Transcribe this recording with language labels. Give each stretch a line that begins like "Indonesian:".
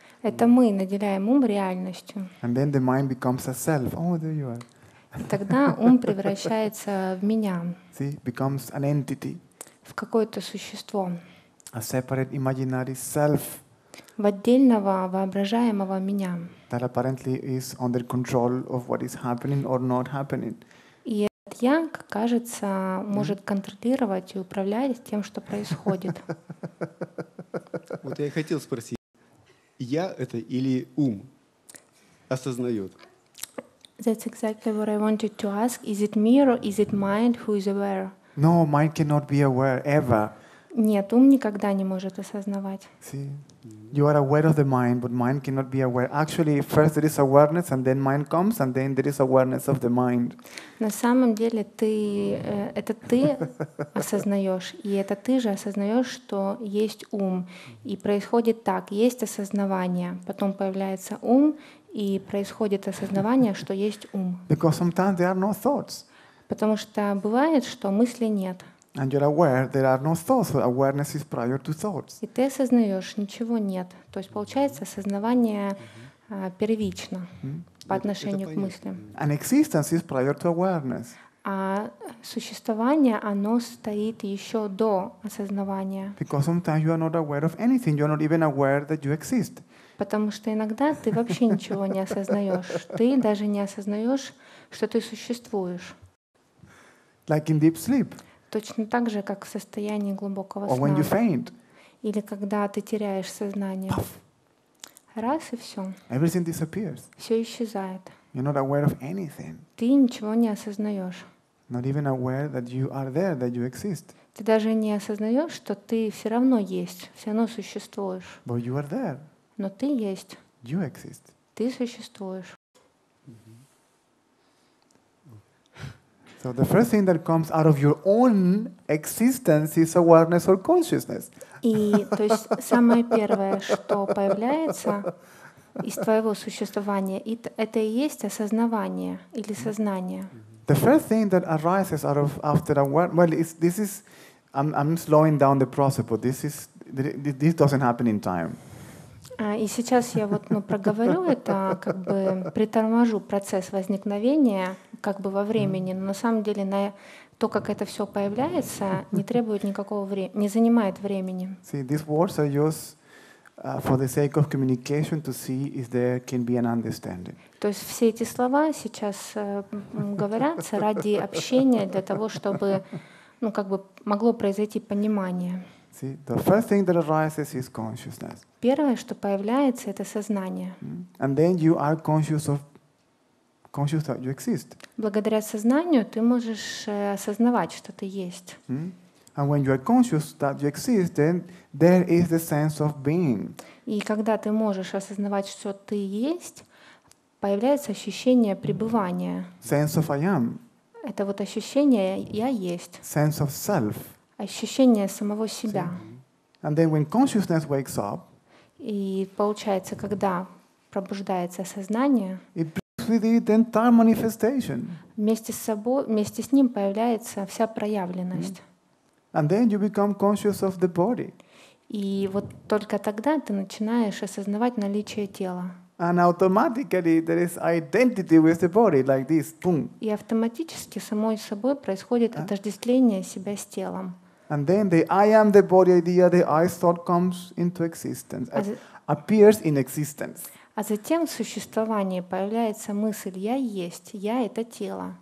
Russian: Это мы наделяем ум реальностью.
English: And then the mind becomes a self. Oh, there you are.
Russian: Тогда ум превращается в меня.
English: See, becomes an entity.
Russian: В какое-то существо.
English: A separate imaginary self.
Russian: В отдельного воображаемого меня.
English: That apparently is under control of what is happening or not happening.
Russian: И этот я, кажется, может контролировать и управлять тем, что происходит. Вот я и хотел спросить, я это или ум осознает?
English: That's exactly what I wanted to ask. Is it me or is it mind who is aware? No, mind cannot be aware ever.
Russian: Нет, ум никогда не может осознавать.
English: See? You are aware of the mind, but mind cannot be aware. Actually, first there is awareness, and then mind comes, and then there is awareness of the mind.
Russian: На самом деле, ты это ты осознаешь, и это ты же осознаешь, что есть ум, и происходит так: есть осознавание, потом появляется ум, и происходит осознавание, что есть ум.
English: Because sometimes there are no thoughts.
Russian: Потому что бывает, что мыслей нет.
English: And you're aware there are no thoughts. So awareness is prior to thoughts.
Russian: И ты осознаешь, ничего нет. То есть получается осознавание первично по отношению к мыслям.
English: An existence is prior to awareness.
Russian: А существование, оно стоит еще до осознавания.
English: Because sometimes you are not aware of anything. You are not even aware that you exist.
Russian: Потому что иногда ты вообще ничего не осознаешь. Ты даже не осознаешь, что ты существуешь.
English: Like in deep sleep.
Russian: Точно так же, как в состоянии глубокого сна.
English: Or when you faint.
Russian: Или когда ты теряешь сознание.
English: Puff.
Russian: Раз и все.
English: Everything disappears.
Russian: Все исчезает.
English: You're not aware of anything.
Russian: Ты ничего не осознаешь.
English: Not even aware that you are there, that you exist.
Russian: Ты даже не осознаешь, что ты все равно есть, все равно существуешь.
English: But you are there.
Russian: Но ты есть.
English: You exist.
Russian: Ты существуешь.
English: So the first thing that comes out of your own existence is awareness or consciousness.
Russian: И то есть самое первое, что появляется из твоего существования, это и есть осознавание или сознание.
English: The first thing that arises out of after awareness, well, I'm slowing down the process, but this doesn't happen in time.
Russian: И сейчас я вот проговорю это, как бы приторможу процесс возникновения как бы во времени, но на самом деле на то, как это все появляется, не требует никакого времени, не занимает времени.
English: See, these words are just for the sake of communication to see if there can be an understanding.
Russian: То есть все эти слова сейчас говорятся ради общения, для того, чтобы могло произойти понимание.
English: See, the first thing that arises is consciousness.
Russian: Первое, что появляется, это сознание.
English: And then you are conscious that you exist.
Russian: Благодаря сознанию ты можешь осознавать, что ты есть.
English: And when you are conscious that you exist, then there is the sense of being.
Russian: И когда ты можешь осознавать, что ты есть, появляется ощущение пребывания.
English: Sense of I am.
Russian: Это вот ощущение я есть.
English: Sense of self.
Russian: Ощущение самого себя.
English: And then when consciousness wakes up,
Russian: и получается, когда пробуждается сознание,
English: it brings with it entire manifestation.
Russian: Вместе с ним появляется вся проявленность.
English: And then you become conscious of the body.
Russian: И вот только тогда ты начинаешь осознавать наличие тела.
English: And automatically there is identity with the body, like this, boom.
Russian: И автоматически самой собой происходит отождествление себя с телом.
English: And then the I am the body idea, the I thought comes into existence, appears in existence.
Russian: А затем в существовании появляется мысль «я есть», «я» — это тело.